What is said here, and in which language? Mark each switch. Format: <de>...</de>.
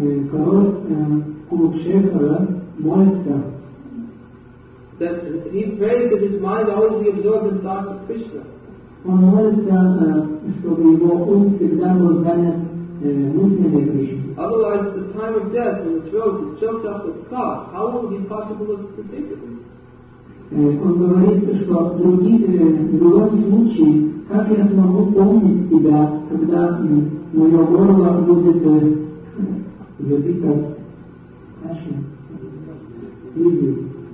<ru>Король Кулакшетхара молится.</ru> <en>That he prays that his mind always be absorbed in thoughts of Krishna.</en> <ru>Он молится, чтобы его ум всегда был занят мыслями о Кришне.</ru> <en>Otherwise, at the time of death, when the throat is choked up with cough, how will it be possible to predict it?</en> <ru>Он говорит, что в другом случае, как я смогу помнить тебя, когда мое горло будет забито кашей?</ru>